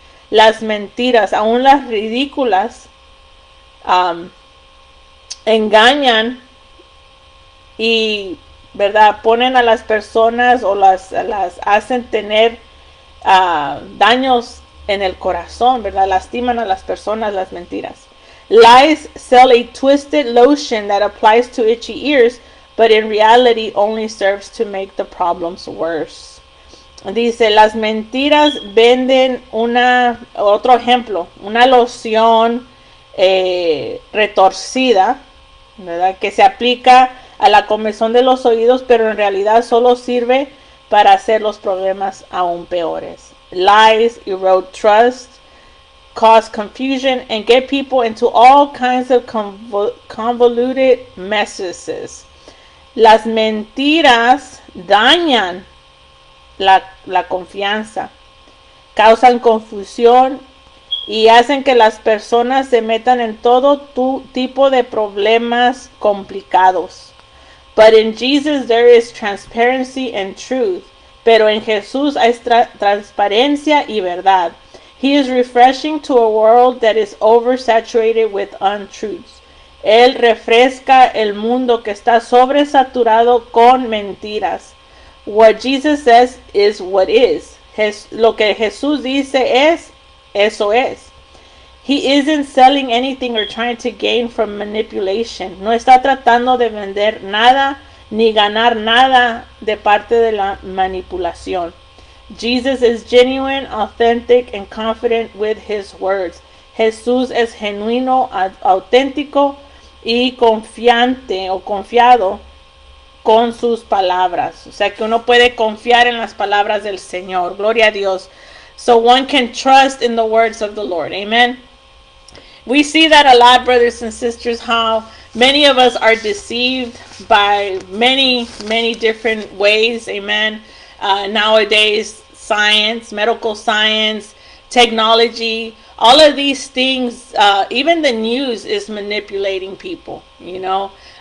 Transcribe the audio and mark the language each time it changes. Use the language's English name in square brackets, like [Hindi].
[Spanish] Las mentiras, aun las ridículas, engañan y, ¿verdad?, ponen a las personas o las hacen tener daños en el corazón, ¿verdad? Lastiman a las personas las mentiras. [English] Lies sell a twisted lotion that applies to itchy ears, but in reality only serves to make the problems worse. [Spanish] Dice, las mentiras venden otro ejemplo, una loción retorcida, ¿verdad?, que se aplica a la comezón de los oídos, pero en realidad solo sirve para hacer los problemas aún peores. [English] Lies erode trust, cause confusion and get people into all kinds of convoluted messes. [Spanish] Las mentiras dañan la confianza, causan confusión y hacen que las personas se metan en todo tipo de problemas complicados. [English] But in Jesus there is transparency and truth. [Spanish] Pero en Jesús hay transparencia y verdad. [English] He is refreshing to a world that is oversaturated with untruths. [Spanish] Él refresca el mundo que está sobresaturado con mentiras. [English] What Jesus says is what is. [Spanish] Lo que Jesús dice es, eso es. [English] He isn't selling anything or trying to gain from manipulation. [Spanish] No está tratando de vender nada ni ganar nada de parte de la manipulación. [English] Jesus is genuine, authentic, and confident with his words. [Spanish] Jesús es genuino, auténtico, y confiante o confiado con sus palabras. O sea, que uno puede confiar en las palabras del Señor. Gloria a Dios. [English] So one can trust in the words of the Lord. Amen. We see that a lot, brothers and sisters, how many of us are deceived by many, many different ways. Amen. Nowadays, science, medical science, technology, all of these things, even the news is manipulating people, you know.